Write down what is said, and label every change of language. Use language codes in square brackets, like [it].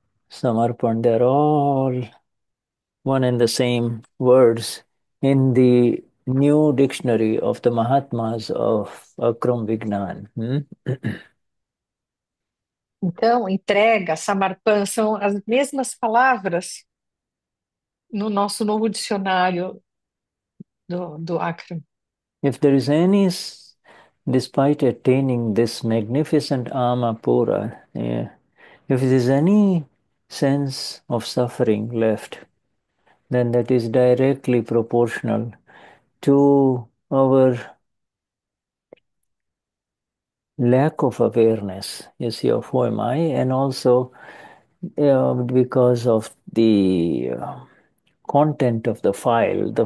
[en] Samarpan, they're all one and the same words in the new dictionary of the Mahatmas of Akram Vignan. [pt] Então, entrega, samarpan, são as mesmas palavras no nosso novo dicionário do Akram. [en] If there is any, despite attaining this magnificent amapura, if there is any sense of suffering left, then that is directly proportional to our lack of awareness, you see, of who am I, and also because of the content of the file.